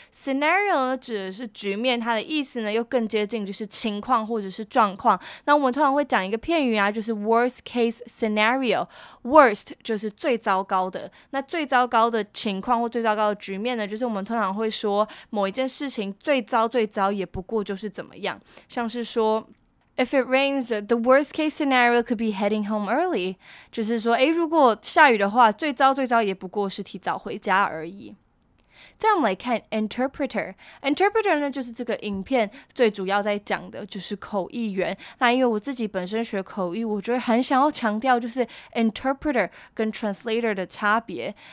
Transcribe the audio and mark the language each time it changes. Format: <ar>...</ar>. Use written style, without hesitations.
<zh>Scenario呢指的是局面，它的意思呢又更接近就是情况或者是状况。那我们通常会讲一个片语啊，就是</zh> <en>worst case scenario。</en> <zh>Worst就是最糟糕的， 那最糟糕的情况或最糟糕的局面呢， 就是我们通常会说某一件事情最糟最糟也不过就是怎么样。像是说</zh> <en>If it rains, the worst case scenario could be heading home early.</en> <zh>就是说 如果下雨的话， 最糟最糟也不过是提早回家而已。再我们来看 interpreter。interpreter呢， 就是这个影片最主要在讲的就是口译员。那因为我自己本身学口译， 我觉得很想要强调就是 interpreter跟 translator的差别。</zh>